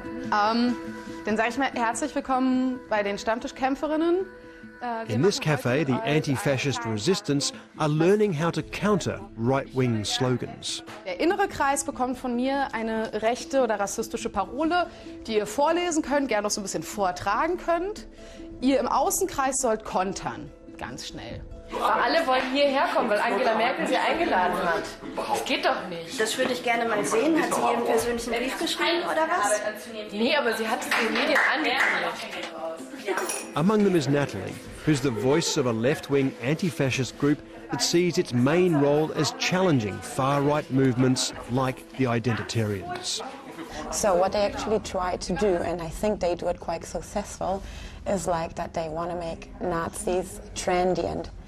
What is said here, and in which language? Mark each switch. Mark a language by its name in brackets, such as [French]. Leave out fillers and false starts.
[German] Dann sage ich mal herzlich willkommen bei den Stammtischkämpferinnen. [English] In this cafe, the anti-fascist resistance are learning how to counter right-wing slogans. [German] Der innere Kreis bekommt von mir eine rechte oder rassistische Parole, die ihr vorlesen könnt, gerne noch so ein bisschen vortragen könnt. Ihr im Außenkreis sollt kontern, ganz schnell. Aber alle wollen hierher kommen, weil Angela Merkel sie eingeladen hat. Das geht doch nicht. Das würde ich gerne mal sehen. Hat sie ihren persönlichen Brief geschrieben oder was? Nee, aber sie hat es in den Medien angekündigt. [English] Among them is Natalie, who's the voice of a left-wing anti-fascist group that sees its main role as challenging far-right movements like the Identitarians. So what they actually try to do, and I think they do it quite successful, is like that they want to make Nazis trendy and